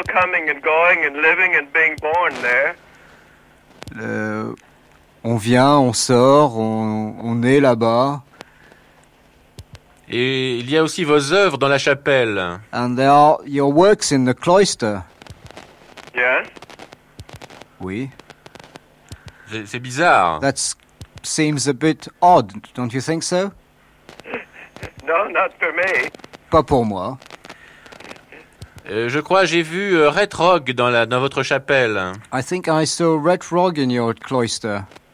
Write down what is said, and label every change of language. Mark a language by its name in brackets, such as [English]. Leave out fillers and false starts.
[English] Coming and going and living and being born there. [French] On vient, on sort, on est là-bas. Et il y a aussi vos œuvres dans la chapelle. [English] And there are your works in the cloister. Yes. [French] Oui. C'est bizarre. [English] That seems a bit odd, don't you think so? No, not for me. [French] Pas pour moi. Je crois j'ai vu Red Rogue dans votre chapelle. [English] I think I saw Red Rogue in your cloister.